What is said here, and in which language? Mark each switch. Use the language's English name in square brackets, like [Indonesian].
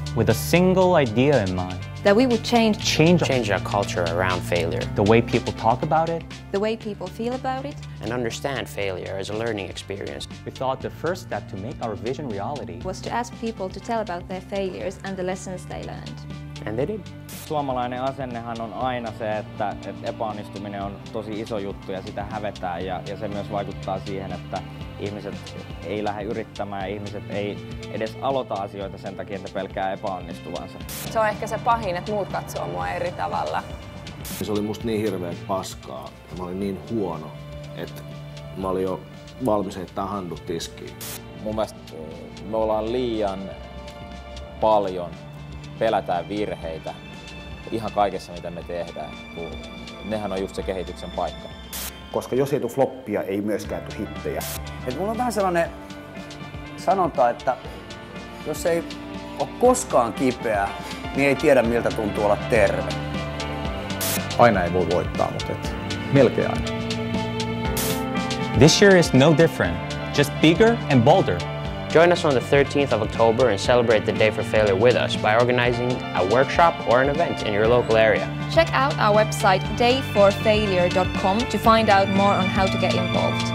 [English] With a single idea in mind. That we would change our culture around failure. The way people talk about it. The way people feel about it. And understand failure as a learning experience. We thought the first step to make our vision reality was to ask people to tell about their failures and the lessons they learned. And they did. [Finnish] Suomalainen asennehan on aina se, että epäonnistuminen on tosi iso juttu ja sitä hävetään ja se myös vaikuttaa siihen, että ihmiset ei lähde yrittämään ja ihmiset ei edes aloita asioita sen takia, että pelkää epäonnistuvansa. Se on ehkä se pahin, että muut katsoo mua eri tavalla. Se oli musta niin hirveä paskaa ja mä olin niin huono, että mä olin jo valmis heittää handut tiskiin. Mun mielestä me ollaan liian paljon pelätään virheitä ihan kaikessa, mitä me tehdään. Nehän on just se kehityksen paikka. Koska jos ei tule floppia, ei myöskään tule hittejä. Et mulla on vähän sellainen sanonta, että jos ei ole koskaan kipeä, niin ei tiedä, miltä tuntuu olla terve. Aina ei voi voittaa, mutta melkein aina. [English] This year is no different, just bigger and bolder. Join us on the 13th of October and celebrate the Day for Failure with us by organizing a workshop or an event in your local area. Check out our website dayforfailure.com to find out more on how to get involved.